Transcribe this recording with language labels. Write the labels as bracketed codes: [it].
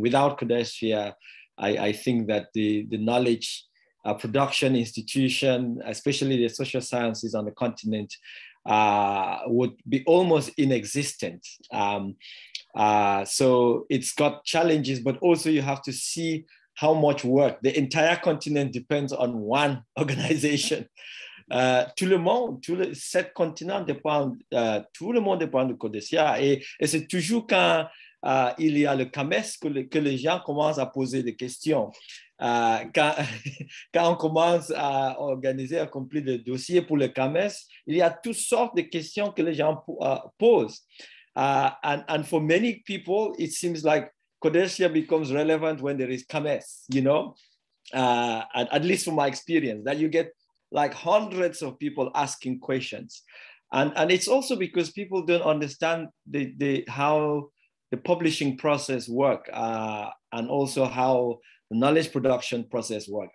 [en] Without CODESFIA, I think that the knowledge production institution, especially the social sciences on the continent, would be almost inexistent. So it's got challenges, but also you have to see how much work. The entire continent depends on one organization. [fr] tout le monde, tout le sept continents dépend, tout le monde dépend de Codesia. Et c'est toujours quand il y a le CAMES que les gens commencent à poser des questions. Quand on commence à organiser, à accomplir des dossiers pour le CAMES, il y a toutes sortes de questions que les gens posent. [en] And for many people, it seems like Codesia becomes relevant when there is CAMES, you know? At least from my experience, that you get like hundreds of people asking questions. And it's also because people don't understand the how the publishing process work and also how the knowledge production process work.